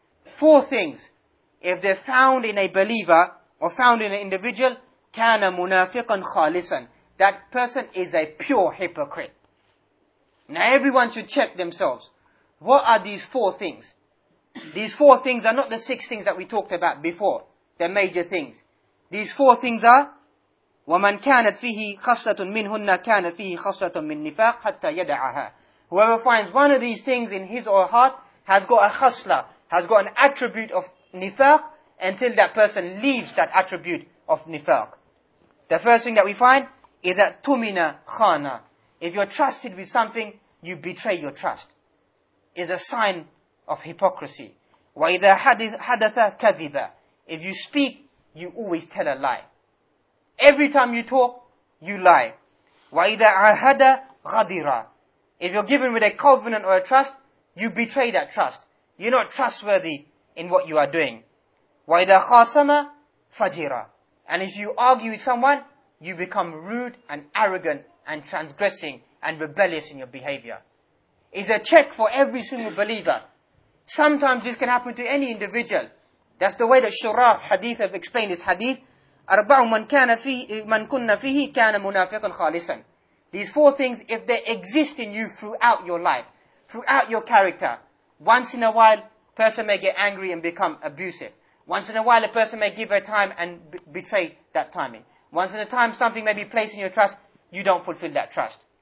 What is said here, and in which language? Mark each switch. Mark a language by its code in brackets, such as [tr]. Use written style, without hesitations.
[en] Four things, if they're found in a believer, or found in an individual, [ar] كَانَ مُنَافِقًا خَالِصًا, [en] that person is a pure hypocrite. Now everyone should check themselves. What are these four things? These four things are not the six things that we talked about before. They're major things. These four things are, [ar] وَمَنْ كَانَتْ فِيهِ خَصْلَةٌ مِنْهُنَّ كَانَتْ فِيهِ خَصْلَةٌ مِنْ نِفَاقٍ حَتَّى يَدَعَهَا. [en] Whoever finds one of these things in his or her heart has got a khasla, has got an attribute of nifaq, until that person leaves that attribute of nifaq. The first thing that we find is that tumina khana. If you're trusted with something, you betray your trust. It's a sign of hypocrisy. [ar] Wa idha hadatha kadhiba. [en] If you speak, you always tell a lie. Every time you talk, you lie. [ar] Wa idha ahada ghadira. [en] If you're given with a covenant or a trust, you betray that trust. You're not trustworthy in what you are doing. [ar] وَإِذَا خَاسَمَ فَجِرًا. [en] And if you argue with someone, you become rude and arrogant and transgressing and rebellious in your behavior. It's a check for every single believer. Sometimes this can happen to any individual. That's the way that Shuraf hadith have explained this hadith. [ar] أَرْبَعُ مَنْ كُنَّ فِيهِ كَانَ مُنَافِقًا خَالِصًا. [en] These four things, if they exist in you throughout your life, throughout your character, once in a while, a person may get angry and become abusive. Once in a while, a person may give their time and betray that timing. Once in a time, something may be placed in your trust, you don't fulfill that trust.